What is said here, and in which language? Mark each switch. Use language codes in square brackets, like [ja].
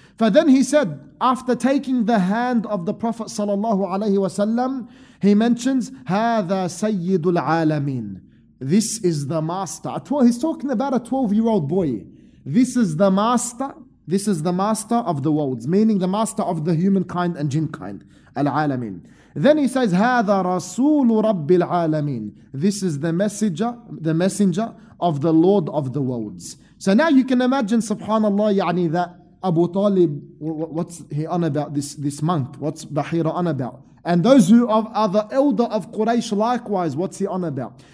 [en] For then he said, after taking the hand of the Prophet sallallahu alayhi wasallam, he mentions, [ar] هذا سيد العالمين. [en] This is the master. He's talking about a 12-year-old boy. This is the master. This is the master of the worlds, meaning the master of the humankind and jinnkind, al-alamin. Then he says, [ar] هذا رسول رب العالمين. [en] This is the messenger of the Lord of the worlds. So now you can imagine, subhanAllah, يعني, that Abu Talib, what's he on about, this monk? What's Bahira on about? And those who are the elder of Quraysh likewise, what's he on about?